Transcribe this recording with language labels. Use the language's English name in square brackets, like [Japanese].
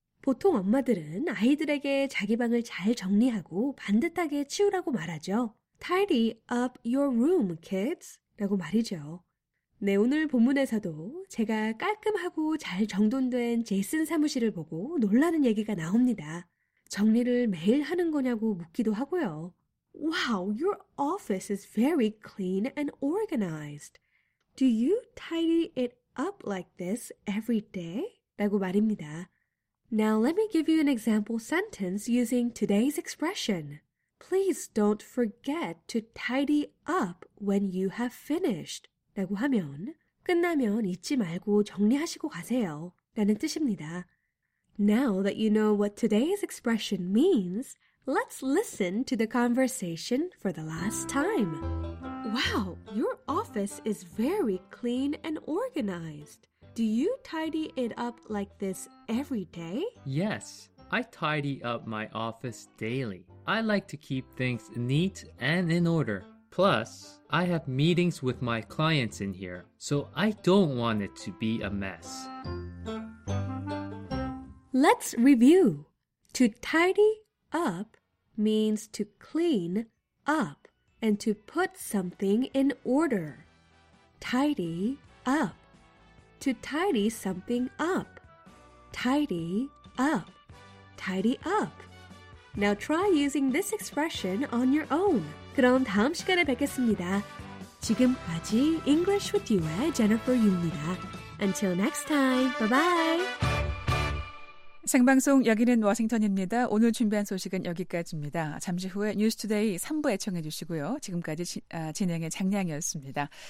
[Korean] 보통 엄마들은 아이들에게 자기 방을 잘 정리하고 반듯하게 치우라고 말하죠. [English] Tidy up your room, kids. [Korean] 라고 말이죠. 네, 오늘 본문에서도 제가 깔끔하고 잘 정돈된 제이슨 사무실을 보고 놀라는 얘기가 나옵니다. 정리를 매일 하는 거냐고 묻기도 하고요. [English] Wow, your office is very clean and organized. Do you tidy it up like this every day? [Korean] 라고 말입니다. [English] Now let me give you an example sentence using today's expression. Please don't forget to tidy up when you have finished. [Korean] 라고 하면 끝나면 잊지 말고 정리하시고 가세요. 라는 뜻입니다. [English] Now that you know what today's expression means, let's listen to the conversation for the last time. Wow, your office is very clean and organized. Do you tidy it up like this every day? Yes, I tidy up my office daily. I like to keep things neat and in order. Plus, I have meetings with my clients in here, so I don't want it to be a mess. Let's review. To tidy up means to clean up and to put something in order. Tidy up. To tidy something up. Tidy up. Tidy up. Now try using this expression on your own. [Korean] 그럼 다음 시간에 뵙겠습니다. 지금까지 English with You의 Jennifer Yu입니다. [English] Until next time. Bye-bye. [Korean] 생방송 여기는 워싱턴입니다. 오늘 준비한 소식은 여기까지입니다. 잠시 후에 뉴스투데이 3부에 청해 주시고요. 지금까지 진행의 장량이었습니다.